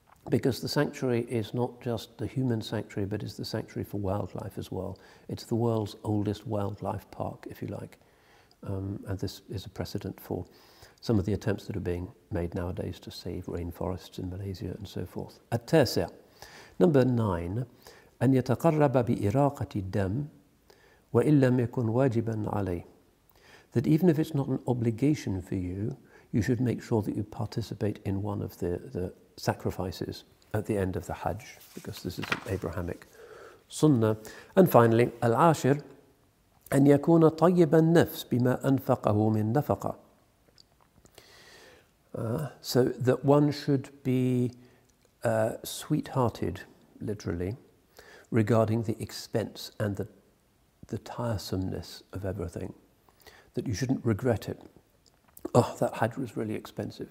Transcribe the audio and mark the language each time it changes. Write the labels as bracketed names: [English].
[English] Because the sanctuary is not just the human sanctuary, but it's the sanctuary for wildlife as well. It's the world's oldest wildlife park, if you like. And this is a precedent for some of the attempts that are being made nowadays to save rainforests in Malaysia and so forth. [Arabic] At-tasi, [English] number 9, [Arabic] أن يتقرب بإراقة الدم وإن لم يكن واجبا عليه. [English] That even if it's not an obligation for you, you should make sure that you participate in one of the sacrifices at the end of the Hajj, because this is an Abrahamic sunnah. And finally, [Arabic] al-ashir, أن يكون طيب النفس بما أنفقه من نفقة. [English] So that one should be sweet-hearted, literally, regarding the expense and the tiresomeness of everything. That you shouldn't regret it. Oh, that Hajj was really expensive.